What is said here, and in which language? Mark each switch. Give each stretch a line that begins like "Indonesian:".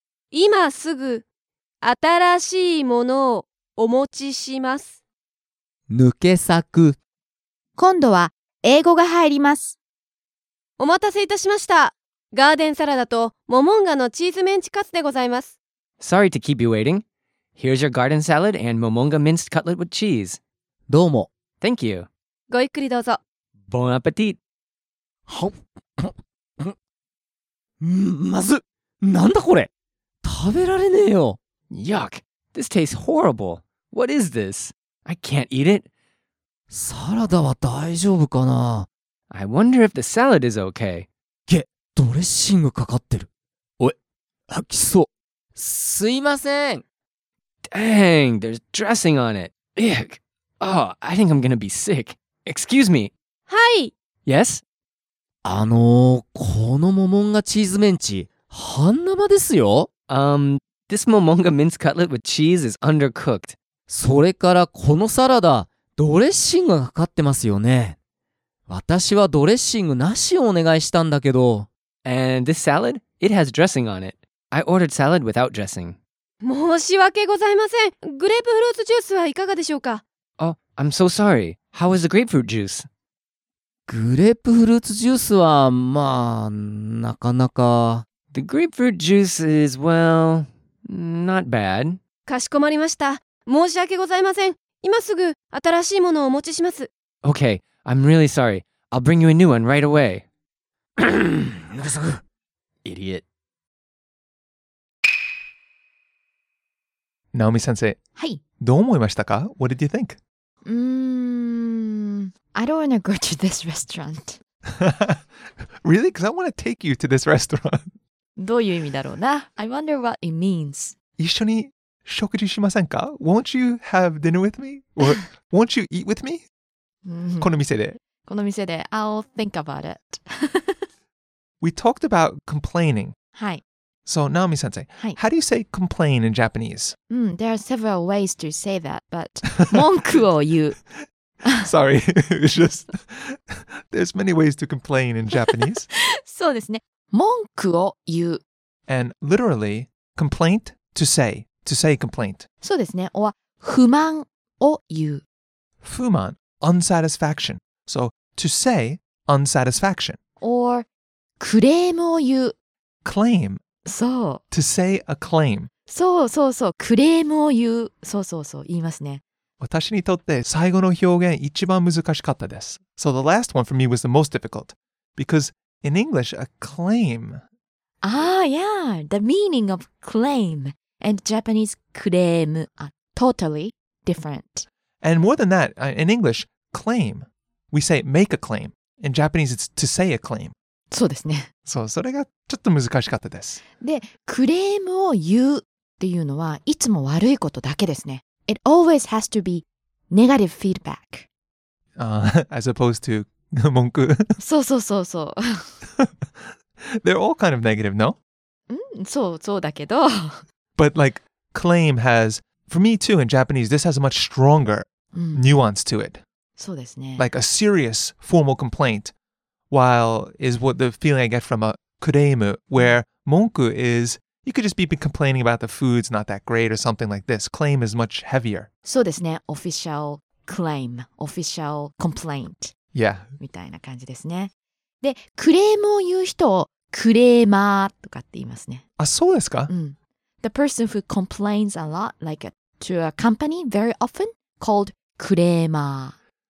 Japanese: 今すぐ新しいものをお持ちします。抜け作。今度は英語が入ります。お待たせいたしました。ガーデンサラダとモモンガのチーズメンチカツでございます。
English: Sorry to keep you waiting. Here's your garden salad and momonga minced cutlet with cheese.
Japanese: どうも。
English: Thank you.
Japanese: ごゆっくりどうぞ。
English: Bon appetit. はっ。
Japanese: まず、なんだこれ。食べられねえよ。
English: Yuck. This tastes horrible. What is this? I can't eat it.
Japanese: サラダは大丈夫かな。
English: I wonder if the salad is okay.
Japanese: げ、ドレッシングかかってる。おい、吐きそう。すいません。
English: Dang, there's dressing on it. Ick. Oh, I think I'm gonna be sick. Excuse me. Hi. Yes?
Japanese: この momonga cheese menchi, 半生ですよ。
English: This momonga mince cutlet with cheese is undercooked.
Japanese: それからこのサラダ、ドレッシングがかかってますよね。私はドレッシングなしをお願いしたんだけど。
English: And this salad? It has dressing on it. I ordered salad without dressing.
Japanese: 申し訳ございません。グレープフルーツジュースはいかがでしょうか?
English: Oh, I'm so sorry. How is the grapefruit juice?
Japanese: グレープフルーツジュースは、まあ、なかなか。
English: The grapefruit juice is, well, not bad.
Japanese: かしこまりました。申し訳ございません。今すぐ新しいものをお持ちします。
English: Okay. I'm really sorry. I'll bring you a new one right away. Idiot. Naomi-sensei. Hi.
Japanese: どう思いましたか?
English: What did you think? I don't want to go to this restaurant. Really? Because I want to take you to this restaurant.
Japanese: どういう意味だろうな?
English: I wonder what it means.
Japanese: 一緒に食事しませんか?
English: Won't you have dinner with me? Or won't you eat with me?
Japanese: この店で。この店で。
English: I'll think about it. We talked about complaining.
Japanese: はい。
English: So, Naomi-sensei,
Japanese: はい。
English: How do you say complain in Japanese? There are several ways to say that, but
Japanese: 文句を言う。
English: Sorry, it's just, there's many ways to complain in Japanese.
Japanese: そうですね。文句を言う。
English: And literally, complaint to say. To say complaint.
Japanese: そうですね。or 不満を言う。
English: 不満。Unsatisfaction. So, to say unsatisfaction.
Japanese: Or, クレームを言う。
English: Claim.
Japanese: そう。
English: To say a claim.
Japanese: そうそうそう。クレームを言う。そうそうそう。言いますね。私にとって最後の表現一番難しかったです。
English: So, the last one for me was the most difficult. Because, in English, a claim. Ah, yeah. The meaning of claim and Japanese クレーム are totally different. And more than that, in English, claim, we say make a claim. In Japanese, it's to say a claim.
Japanese: そうですね。そう、それがちょっと難しかったです。で、クレームを言うっていうのは、いつも悪いことだけですね。
English: It always has to be negative feedback. As opposed to 文句。
Japanese: そうそうそうそう。
English: They're all kind of negative, no?
Japanese: そうそうだけど。
English: But like, claim has... For me too, in Japanese, this has a much stronger nuance to it.
Japanese: そうですね。
English: Like a serious formal complaint, while is what the feeling I get from a kureimu, where monku is, you could just be complaining about the food's not that great or something like this. Claim is much heavier.
Japanese: そうですね。
English: Official claim, official complaint. Yeah.
Japanese: みたいな感じですね。で、クレームを言う人をクレーマーとかって言いますね。あ、そうですか? うん。
English: The person who complains a lot, like to a company very often, called クレーマー。